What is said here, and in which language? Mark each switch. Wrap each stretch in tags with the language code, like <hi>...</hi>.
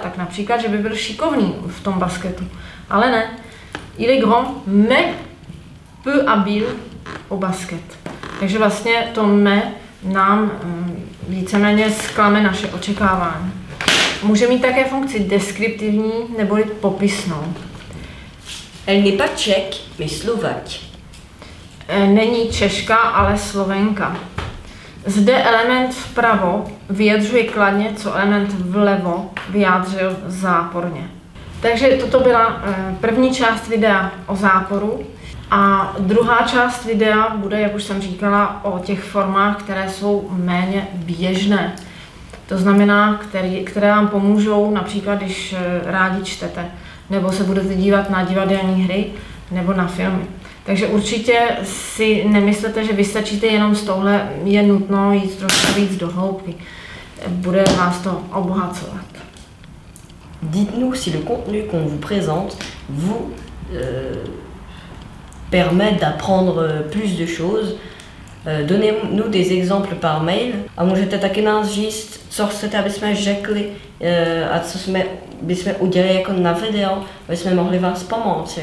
<cs>Tak například, že by byl šikovný v tom basketu, ale ne.</cs> <fr>Il est grand, mais peu habile au basket.</fr> <cs>Takže vlastně to me nám víceméně zklame naše očekávání. Může mít také funkci deskriptivní neboli popisnou.</cs> <fr>Elle n'est pas Czech, mais Slovak.</fr> <cs>Není Češka, ale Slovenka. Zde element vpravo vyjadřuje kladně, co element vlevo vyjádřil záporně. Takže toto byla první část videa o záporu a druhá část videa bude, jak už jsem říkala, o těch formách, které jsou méně běžné. To znamená, které vám pomůžou například, když rádi čtete, nebo se budete dívat na divadelní hry, nebo na filmy. Takže určitě si nemyslete, že vystačíte jenom s touhle, je nutno jít trošku víc do hloubky. Bude vás to obohacovat.</cs> <fr>Dites-nous si le contenu qu'on vous présente vous permet d'apprendre plus de choses. Donnez-nous des exemples par mail.</fr> <cs>A můžete taky nás říct, co chcete, aby jsme řekli a co jsme bychom udělali jako na video, aby jsme mohli vás pomoct.</cs>